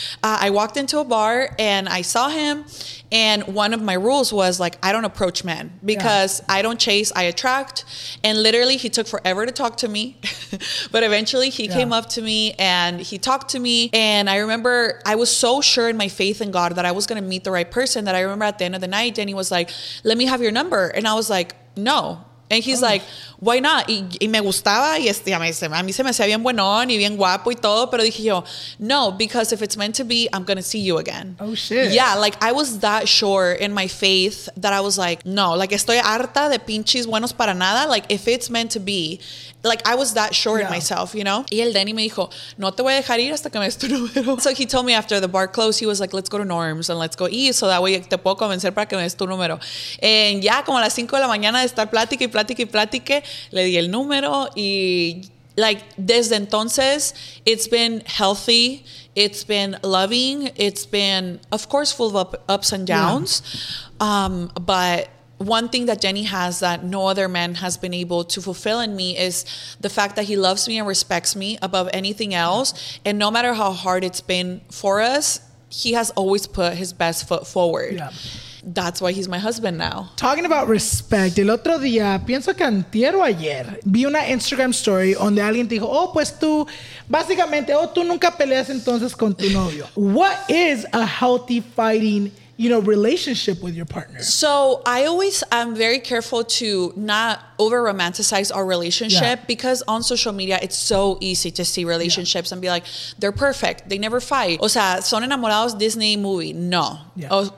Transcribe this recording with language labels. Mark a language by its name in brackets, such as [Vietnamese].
[English] I walked into a bar and I saw him. And one of my rules was like, I don't approach men because I don't chase, I attract. And literally he took forever to talk to me, but eventually he came up to me and he talked to me. And I remember I was so sure in my faith in God that I was going to meet the right person that I remember at the end of the night, Danny was like, let me have your number. And I was like, no. And he's like, why not? [Spanish] Y me gustaba. Y este, a mí se me hacía bien buenón y bien guapo y todo. Pero dije yo, [English] no, because if it's meant to be, I'm going to see you again. Oh, shit. Yeah, like I was that sure in my faith that I was like, no, like [Spanish] estoy harta de pinches buenos para nada. [English] Like if it's meant to be, like I was that sure in myself, you know? [Spanish] Y el Danny me dijo, no te voy a dejar ir hasta que me des tu número. [English] So he told me after the bar closed, he was like, let's go to Norm's and let's go eat. So that way [Spanish] te puedo convencer para que me des tu número. [English] And yeah, [Spanish] como a las 5 de la mañana de estar plática y plática. Y platique, le di el número [English] y like desde entonces it's been healthy, it's been loving, it's been of course full of ups and downs, but one thing that Jenny has that no other man has been able to fulfill in me is the fact that he loves me and respects me above anything else, and no matter how hard it's been for us, he has always put his best foot forward. That's why he's my husband now. Talking about respect, [Spanish] el otro día, pienso que antier o ayer, vi una Instagram story donde alguien dijo, oh, pues tú, básicamente, oh, tú nunca peleas entonces con tu novio. [English] What is a healthy fighting, you know, relationship with your partner? So I always am very careful to not over romanticize our relationship because on social media, it's so easy to see relationships and be like, they're perfect. They never fight. [Spanish] O sea, son enamorados [English] Disney movie. No. Yeah.